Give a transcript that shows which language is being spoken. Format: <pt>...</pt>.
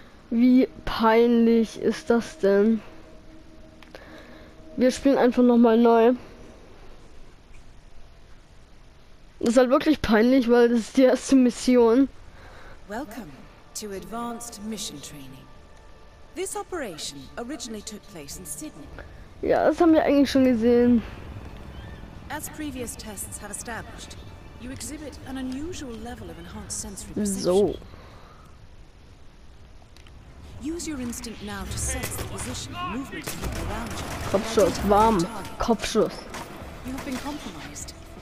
<de>Wie peinlich ist das denn? Wir spielen einfach nochmal neu. Das ist halt wirklich peinlich, weil das ist die erste Mission.</de> <en>Welcome to advanced mission training. This operation originally took place in Sydney.</en> <de>Ja, das haben wir eigentlich schon gesehen.</de> <en>As previous tests have established, you exhibit an unusual level of enhanced sensory perception. So. Use your instinct now to sense the position and movement of people around you.</en> <de>Kopfschuss, warm. Kopfschuss.</de> <en>You have been compromised.</en>